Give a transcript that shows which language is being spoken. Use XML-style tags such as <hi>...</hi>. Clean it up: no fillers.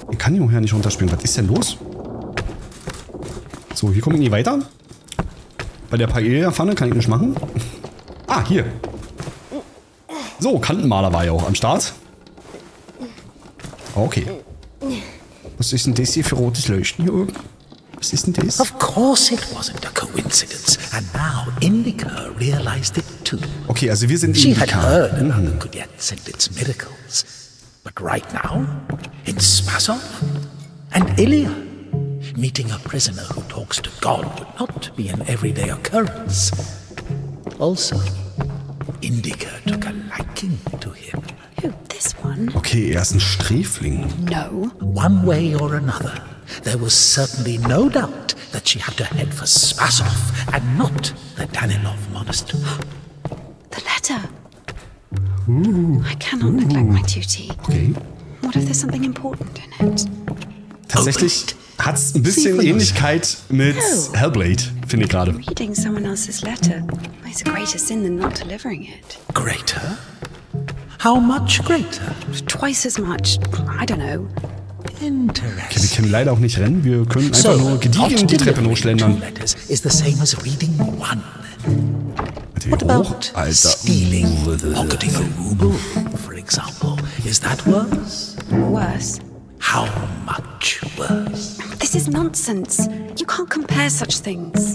<de>Ich kann hier umher nicht runterspringen. Was ist denn los? So, hier komme ich nie weiter. Bei der Paella-Pfanne kann ich nichts machen. Ah, hier. So, Kantenmaler war ja auch am Start. Okay. Was ist denn das hier für rotes Leuchten hier oben? Was ist denn das?</de> <en>Of course it wasn't a coincidence. And now Indika realized it too.</en> <de>Okay, also wir sind</de> <en>She Indika. She had heard about the Kudets and its miracles. But right now, it's Spasov and Ilya. Meeting a prisoner who talks to God would not be an everyday occurrence. Also, Indika took a liking to him. Who, this one?</en> <de>Okay, ist ein Sträfling.</de> <en>No. One way or another, there was certainly no doubt that she had to head for Spasov and not the Danilov Monastery. The letter! Ooh. I cannot neglect my duty. Okay. What if there's something important in it?</en> <de>Tatsächlich hat es ein bisschen Ähnlichkeit mit Hellblade, finde ich gerade.</de> <en>Reading someone else's letter is a greater sin than not delivering it. Greater? How much greater? Twice as much. I don't know. Interesting.</en> <de>Okay, wir können leider auch nicht rennen. Wir können einfach nur gediegen die Treppe hochschlendern.</de> <en>Is the same as reading one.</en> <de>Warte, wie hoch? Alter.</de> <en>Stealing, pocketing a ruble, for example. Is that worse? Worse. How much worse? This is nonsense. You can't compare such things.</en>